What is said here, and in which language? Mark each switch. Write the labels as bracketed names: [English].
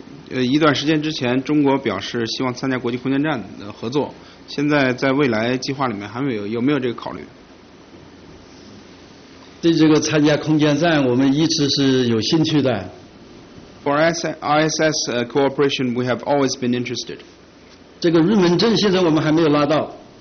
[Chinese] 一段时间之前，中国表示希望参加国际空间站的合作。现在在未来计划里面还没有，有没有这个考虑？对这个参加空间站，我们一直是有兴趣的。 [English] For ISS cooperation, we have always been interested. [Chinese] 这个入门证现在我们还没有拿到。